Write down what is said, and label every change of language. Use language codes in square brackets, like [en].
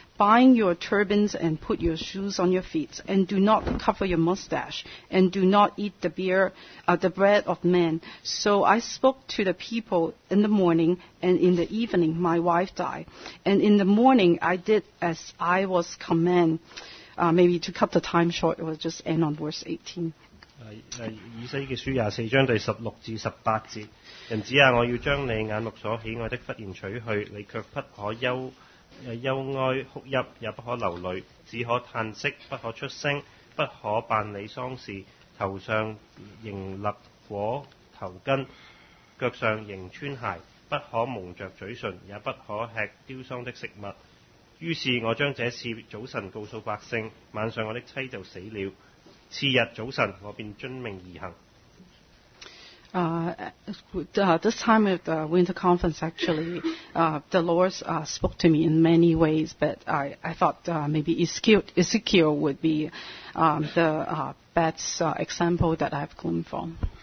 [en] Bind your turbans and put your shoes on your feet. And do not cover your mustache. And do not eat the bread of men. So I spoke to the people in the morning, and in the evening my wife died. And in the morning I did as I was commanded. Maybe to cut the time short, it will just end on verse 18. [zh] 以西结书廿四章第十六至十八节，人子啊，我要将你眼目所喜爱的忽然取去，你却不可忧哀哭泣，也不可流泪，只可叹息，不可出声，不可办理丧事，头上仍立果头巾，脚上仍穿鞋，不可蒙着嘴唇，也不可吃凋丧的食物。于是我将这事早晨告诉百姓，晚上我的妻就死了。次日早晨，我便遵命而行。 [en] This time of the Winter Conference, actually, the Lord spoke to me in many ways, but I thought maybe Ezekiel would be the best example that I've gleaned from.